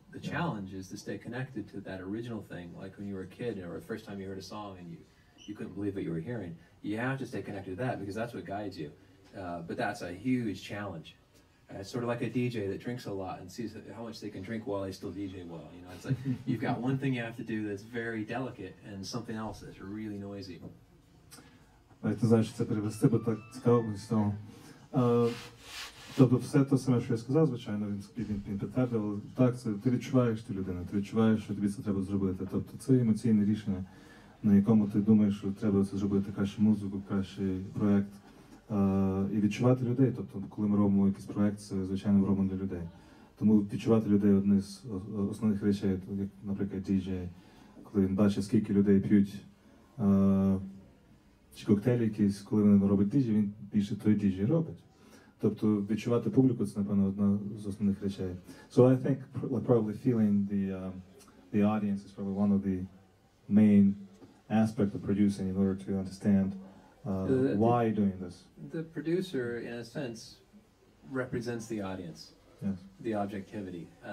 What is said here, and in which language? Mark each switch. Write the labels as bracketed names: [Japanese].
[English] The challenge is to stay connected to that original thing, like when you were a kid or the first time you heard a song and you couldn't believe what you were hearing. You have to stay connected to that because that's what guides you. But that's a huge challenge. It's sort of like a DJ that drinks a lot and sees how much they can drink while they still DJ well. You know, it's like you've got one thing you have to do that's very delicate and something else that's really noisy. [Ukrainian] Це значить, це перевести, бо так цікаво буде з того. Тобто все те саме, що я сказав, звичайно, він підтвердив, але так, це, ти відчуваєш ту людину, ти відчуваєш, що тобі це треба зробити. Тобто це емоційне рішення, на якому ти думаєш, що треба це зробити, краще музику, кращий проєкт. І відчувати людей, тобто коли ми робимо якийсь проєкт, це звичайно ми робимо для людей. Тому відчувати людей – одне з основних речей, як, наприклад, діджей, коли він бачить, скільки людей п'ють, чи коктейлі якісь, коли він робить діджей, він більше той діджей робить. Тобто відчувати публіку – це, напевно, одна з основних речей. [English] So I think probably feeling the audience is probably one of the main aspects of producing in order to understand why the, doing this. The producer, in a sense, represents the audience, yes. The objectivity.